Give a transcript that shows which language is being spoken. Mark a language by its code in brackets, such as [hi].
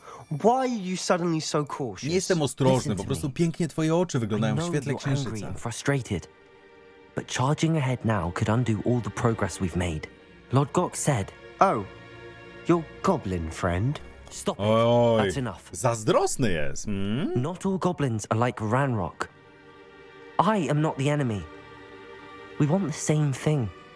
[en] Why are you suddenly so cautious? [pl] Nie jestem ostrożny, po prostu pięknie twoje oczy wyglądają w świetle księżyca. [en] But charging ahead now could undo all the progress we've made. Lord Gok said. Oh, your goblin friend. Stop it. Oj, that's enough. [pl] Zazdrosny jest. [en] Not all goblins are like Ranrok. I am not the enemy. We want the same thing.